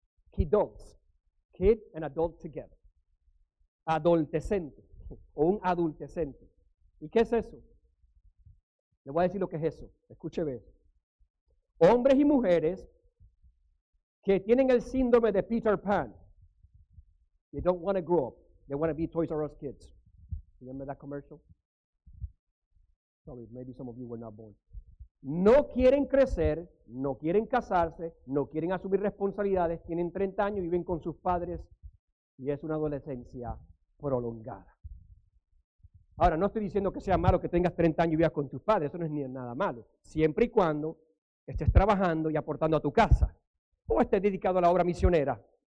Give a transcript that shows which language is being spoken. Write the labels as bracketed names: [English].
[English] Kidults, kid and adult together. [Spanish] Adolescente o un adultecente. ¿Y qué es eso? Le voy a decir lo que es eso. Escuche bien. Hombres y mujeres que tienen el síndrome de Peter Pan. [English] They don't want to grow up. They want to be Toys R Us kids. Remember that commercial? Sorry, maybe some of you were not born. [Spanish] No quieren crecer, no quieren casarse, no quieren asumir responsabilidades, tienen 30 años, viven con sus padres y es una adolescencia prolongada. Ahora, no estoy diciendo que sea malo que tengas 30 años y vivas con tus padres, eso no es ni nada malo, siempre y cuando estés trabajando y aportando a tu casa o estés dedicado a la obra misionera.